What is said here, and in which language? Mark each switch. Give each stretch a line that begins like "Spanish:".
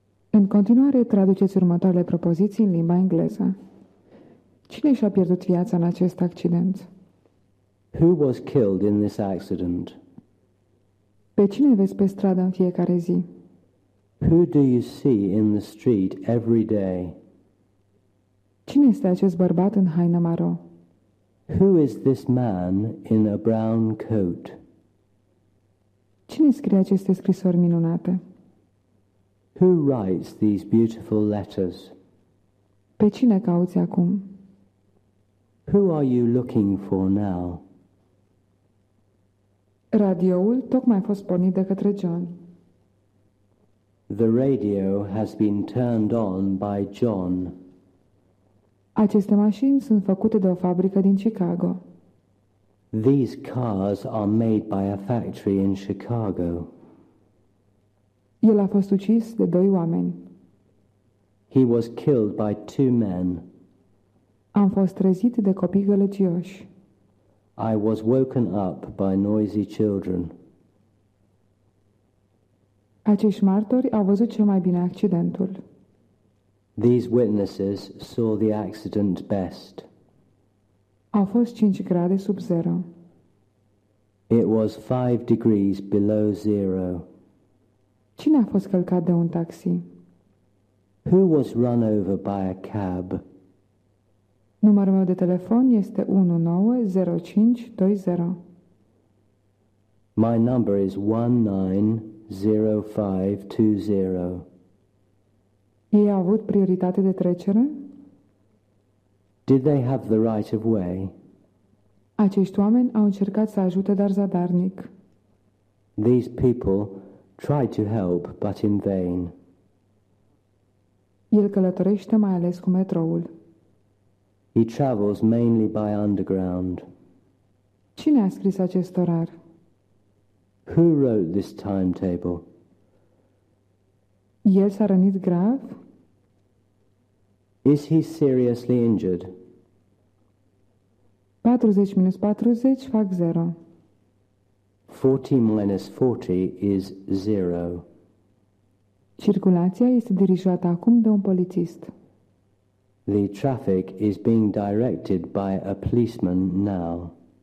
Romanian: În continuare, traduceți următoarele propoziții în limba engleză. Cine și-a pierdut viața în acest accident?
English: Who was killed in this accident?
Romanian: Pe cine vezi pe stradă în fiecare zi?
English: Who do you see in the street every day?
Romanian: Cine este acest bărbat în haină maro?
English: Who is this man in a brown coat?
Romanian: Cine scrie aceste scrisori minunate?
English: Who writes these beautiful letters?
Romanian: Pe cine cauți acum?
English: Who are you looking for now?
Romanian: Radioul tocmai a fost pornit de către John.
English: The radio has been turned on by John.
Romanian: Aceste mașini sunt făcute de o fabrică din Chicago.
English: These cars are made by a factory in Chicago.
Romanian: El a fost ucis de doi oameni.
English: He was killed by two men.
Romanian: Am fost trezit de copii gălăgioși.
English: I was woken up by noisy children.
Romanian: Acești martori au văzut cel mai bine accidentul.
English: These witnesses saw the accident best.
Romanian: Au fost 5 grade sub zero.
English: It was 5 degrees below zero.
Romanian: Cine a fost călcat de un taxi?
English: Who was run over by a cab?
Romanian: Numărul meu de telefon este 190520.
English: My number is 190520.
Romanian: Ei au avut prioritate de trecere?
English: Did they have the right of way?
Romanian: Acești oameni au încercat să ajute, dar zadarnic.
English: These people tried to help, but in vain.
Romanian: El călătorește mai ales cu metroul.
English: He travels mainly by underground.
Romanian: Cine a scris acest orar?
English: Who wrote this timetable?
Romanian: El s-a rănit grav?
English: Is he seriously injured?
Romanian: 40 minus 40 fac 0.
English: 40 minus 40 is 0.
Romanian: Circulația este dirijată acum de un polițist.
English: The traffic is being directed by a policeman now.